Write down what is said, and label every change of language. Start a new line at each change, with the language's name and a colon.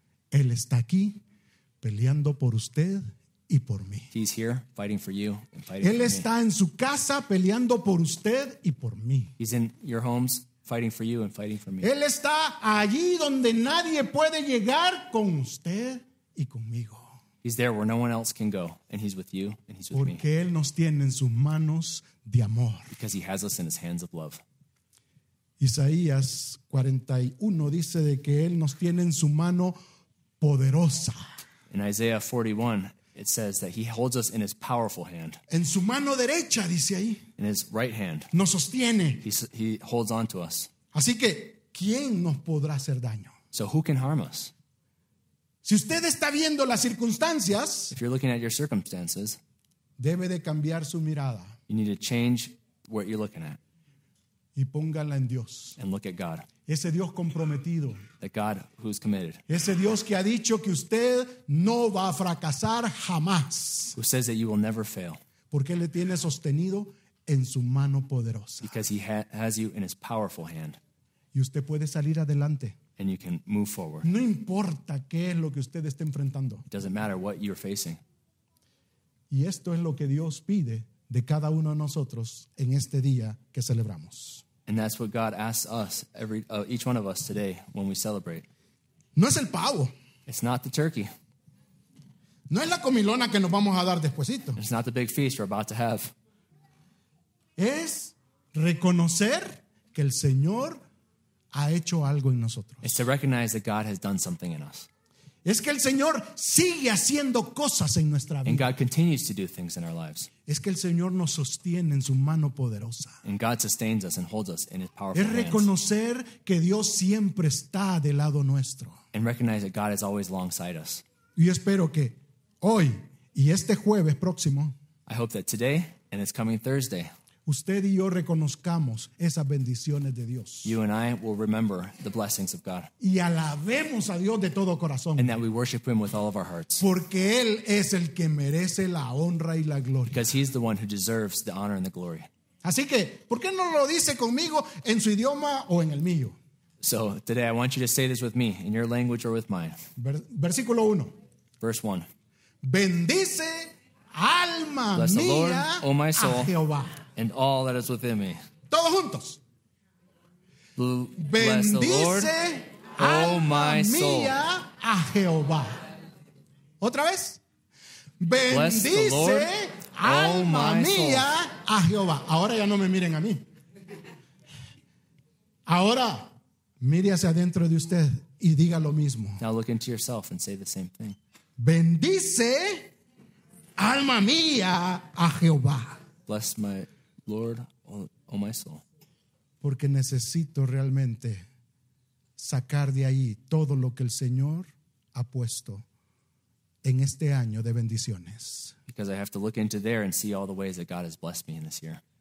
Spanish: Él está aquí peleando por usted y por mí.
English: He's here fighting for you and fighting
Spanish: Él
English: for me.
Spanish: Él está en su casa peleando por usted y por mí.
English: He's in your homes fighting for you and fighting for me.
Spanish: Él está allí donde nadie puede llegar con usted y conmigo.
English: He's there where no one else can go, and He's with you and He's with
Spanish: Porque
English: me.
Spanish: Porque Él nos tiene en sus manos de amor.
English: Because He has us in His hands of love.
Spanish: Isaías 41 dice de que Él nos tiene en su mano poderosa.
English: In Isaiah 41, it says that He holds us in His powerful hand.
Spanish: En su mano derecha, dice ahí.
English: In His right hand.
Spanish: Nos sostiene.
English: He holds on to us.
Spanish: Así que, ¿quién nos podrá hacer daño?
English: So who can harm us?
Spanish: Si usted está viendo las circunstancias,
English: if you're looking at your circumstances,
Spanish: debe de cambiar su mirada.
English: You need to change what you're looking at.
Spanish: Y póngala en Dios.
English: And look at God.
Spanish: Ese Dios comprometido.
English: That God who's committed.
Spanish: Ese Dios que ha dicho que usted no va a fracasar jamás.
English: Who says that you will never fail.
Spanish: Porque le tiene sostenido en su mano poderosa.
English: Because He has you in His powerful hand.
Spanish: Y usted puede salir adelante.
English: And you can move forward.
Spanish: No importa qué es lo que usted esté enfrentando.
English: It doesn't matter what you're facing.
Spanish: Y esto es lo que Dios pide de cada uno de nosotros en este día que celebramos.
English: And that's what God asks us, each one of us today, when we celebrate.
Spanish: No es el pavo.
English: It's not the turkey.
Spanish: No es la comilona que nos vamos a dar despuesito.
English: It's not the big feast we're about to have.
Spanish: Es reconocer que el Señor ha hecho algo en nosotros.
English: It's to recognize that God has done something in us.
Spanish: Es que el Señor sigue haciendo cosas en nuestra vida.
English: And God continues to do things in our lives.
Spanish: Es que el Señor nos sostiene en su mano poderosa.
English: And God sustains us and holds us in His powerful hands.
Spanish: Es reconocer que Dios siempre está del lado nuestro.
English: And recognize that God is always alongside us.
Spanish: Y espero que hoy y este jueves próximo.
English: I hope that today and this coming Thursday.
Spanish: Usted y yo reconozcamos esas bendiciones de Dios.
English: You and I will remember the blessings of God.
Spanish: Y alabemos a Dios de todo corazón.
English: And that we worship Him with all of our hearts.
Spanish: Porque Él es el que merece la honra y la gloria.
English: Because He's the one who deserves the honor and the glory.
Spanish: Así que, ¿por qué no lo dice conmigo en su idioma o en el mío?
English: So, today I want you to say this with me, in your language or with mine.
Spanish: Versículo 1.
English: Verse 1.
Spanish: Bendice alma
English: Bless
Spanish: mía
English: the Lord, oh my soul.
Spanish: A Jehová.
English: And all that is within me.
Spanish: Todos juntos.
English: Bless the Lord, oh my soul.
Spanish: A Jehová. Otra vez.
English: Bless the Lord, oh my soul.
Spanish: Ahora ya no me miren a mí. Ahora, mire hacia adentro de usted y diga lo mismo.
English: Now look into yourself and say the same thing.
Spanish: Bendice alma mía a Jehová.
English: Bless my Lord, oh my soul.
Spanish: Porque necesito realmente sacar de ahí todo lo que el Señor ha puesto en este año de bendiciones.
English: Because I have to look into there and see all the ways that God has blessed me in this year.